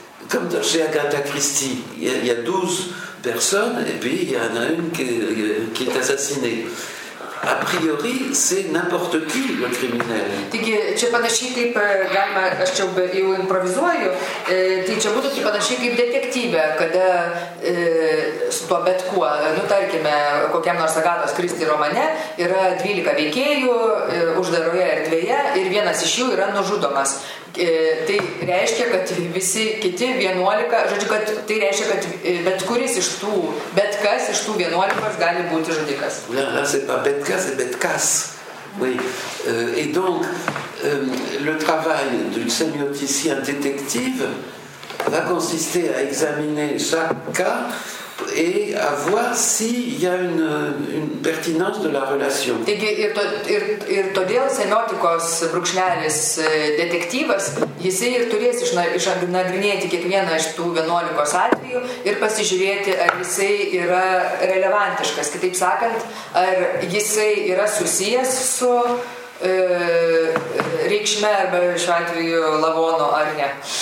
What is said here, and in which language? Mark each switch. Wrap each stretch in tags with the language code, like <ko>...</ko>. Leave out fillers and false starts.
<fr>comme chez Agatha Christie, il y a 12 personne, et puis il y en a une qui est assassinée. A priori, c'est n'importe qui le criminel.</fr> <lt>Taigi, čia panašiai kaip, galima, aš čia jau improvizuoju, tai čia būtų panašiai kaip detektyvė, kada su tuo bet kuo, nu tarkime, kokiam nors Agatos Kristi romane, yra 12 veikėjų uždaroje erdvėje ir vienas iš jų yra nužudomas. Tai reiškia, kad visi kiti 11, žodžiu, kad tai reiškia, kad bet kuris iš tų, bet kas iš tų 11 gali būti žudikas.</lt> <fr>Ne, c'est pas bet kas, c'est bet kas. Oui. Et donc, le travail d'une sémioticienne détective va consister à examiner chaque cas et à voir s'il y a une pertinence de la relation.</fr> <lt>Taigi, ir todėl semiotikos brūkšnelis detektyvas, jisai ir turės išnagrinėti kiekvieną iš tų 11 atvejų ir pasižiūrėti, ar jisai yra relevantiškas. Kitaip sakant, ar jisai yra susijęs su reikšme arba šiuo atveju lavono ar ne.</lt>